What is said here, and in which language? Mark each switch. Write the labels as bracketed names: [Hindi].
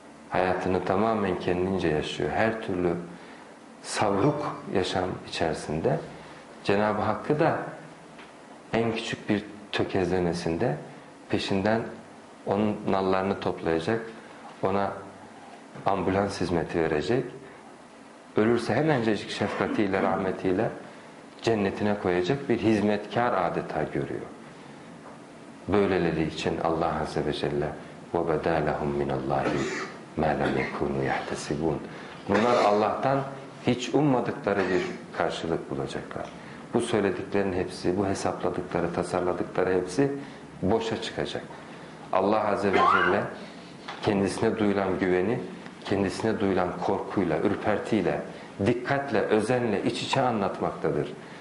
[Turkish] Hayatını tamamen kendince yaşıyor. Her türlü savruk yaşam içerisinde Cenab-ı Hakk'ı da en küçük bir tökezlemesinde peşinden onun nallarını toplayacak, ona ambulans hizmeti verecek, ölürse hemencecik şefkatiyle, rahmetiyle cennetine koyacak bir hizmetkar adeta görüyor. Böyleleri için Allah Azze ve Celle [Arabic] وَبَدَى لَهُمْ مِنَ اللّٰهِ مَا لَمْ يَكُونُوا يَحْتَسِبُونَ. [Turkish] Bunlar Allah'tan hiç ummadıkları bir karşılık bulacaklar. Bu söylediklerin hepsi, bu hesapladıkları, tasarladıkları hepsi boşa çıkacak. Allah Azze ve Celle kendisine duyulan güveni, kendisine duyulan korkuyla, ürpertiyle, dikkatle, özenle, iç içe anlatmaktadır.